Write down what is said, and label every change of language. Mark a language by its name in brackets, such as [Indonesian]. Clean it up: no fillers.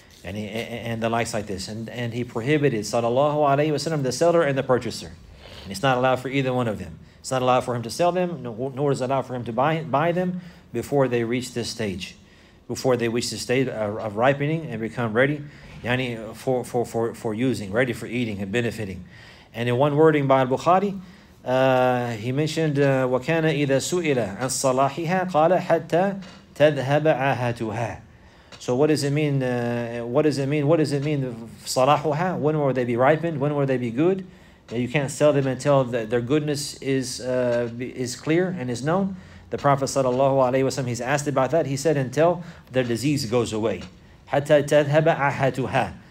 [English] And the likes like this. And he prohibited sallallahu alayhi wa sallam, the seller and the purchaser. And it's not allowed for either one of them. It's not allowed for him to sell them, nor is it allowed for him to buy them before they reach this stage. Before they reach the stage of ripening and become ready, yani for using, ready for eating and benefiting. And in one wording by Al-Bukhari, he mentioned, [Arabic] وَكَانَ إِذَا سُئِلَ عَنْ صَلَاحِهَا قَالَ حَتَّى تَذْهَبَ عَاهَتُهَا. [English] So what does it mean? صَلَاحُهَا? When will they be ripened? When will they be good? You can't sell them until their goodness is clear and is known. The Prophet sallallahu alaihi wasallam, he's asked about that. He said, until their disease goes away. [Arabic] حَتَى تَذْهَبَ عَاهَتُهَا.